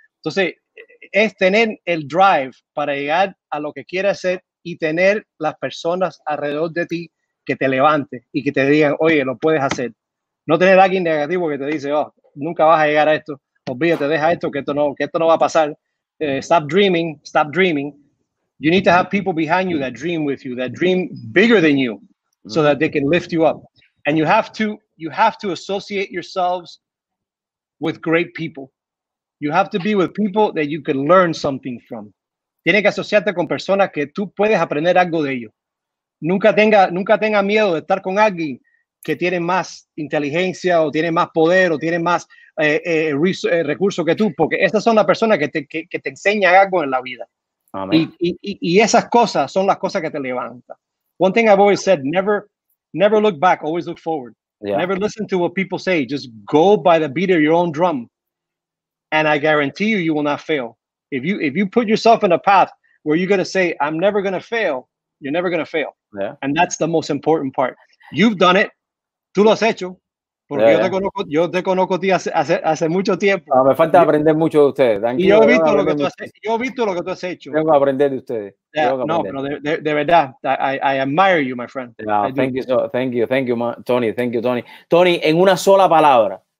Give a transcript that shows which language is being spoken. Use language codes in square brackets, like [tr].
[es] Entonces, es tener el drive para llegar a lo que quieres hacer y tener las personas alrededor de ti que te levanten y que te digan, oye, lo puedes hacer. No tener a alguien negativo que te dice, oh, nunca vas a llegar a esto. Olvídate, deja esto, que esto no va a pasar. [en] Stop dreaming. You need to have people behind you that dream with you, that dream bigger than you, so that they can lift you up. And you have to associate yourselves with great people. You have to be with people that you can learn something from. [es] Tienes que asociarte con personas que tú puedes aprender algo de ellos. Nunca tenga miedo de estar con alguien que tiene más inteligencia o tiene más poder o tiene más recursos que tú, porque estas son las personas que te enseñan algo en la vida. Amen. Y esas cosas son las cosas que te levantan. [en] One thing I've always said, never look back, always look forward. Yeah. Never listen to what people say. Just go by the beat of your own drum. And I guarantee you will not fail. If you put yourself in a path where you're going to say, I'm never going to fail, you're never going to fail. Yeah. And that's the most important part. You've done it. [es] Tú lo has hecho. Porque yeah, yo te conozco a ti hace mucho tiempo. Ah, me falta aprender mucho de ustedes. Tranquilo, yo he visto lo que tú has hecho. Tengo que aprender de ustedes. [en] Yeah, [es] no, pero de verdad, [en] I admire you, my friend. Yeah, thank you, Tony. [es] Tony, en una sola palabra.